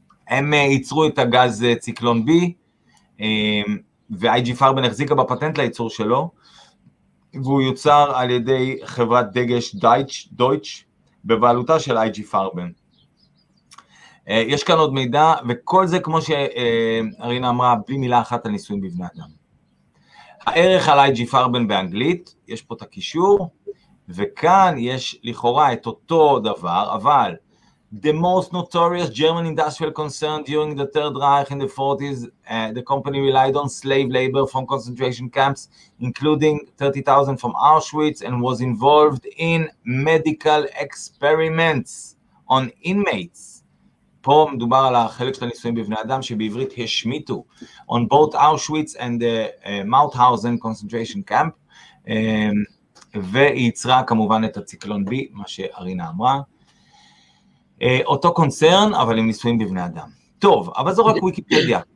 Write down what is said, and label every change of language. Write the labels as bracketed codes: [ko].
[he] הם ייצרו את הגז ציקלון B, ו-IG פארבן החזיקה בפטנט לייצור שלו, והוא יוצר על ידי חברת דגש דויץ' בבעלותה של IG פארבן. יש כאן עוד מידע, וכל זה כמו שארינה אמרה, בלי מילה אחת על ניסויים בבני אדם. הערך על IG פארבן באנגלית, יש פה את הקישור, וכאן יש לכאורה את אותו דבר, אבל [en] the most notorious German industrial concern during the Third Reich in the 40s, the company relied on slave labor from concentration camps, including 30,000 from Auschwitz, and was involved in medical experiments on inmates. [he] פה מדובר על החלק של הניסויים בבני אדם שבעברית השמיטו, [en] on both Auschwitz and the Mauthausen concentration camp, [he] והיא יצרה כמובן את הציקלון B, מה שארינה אמרה. אותו קונצרן, אבל עם ניסויים בבני אדם. טוב, אבל זו רק וויקיפדיה.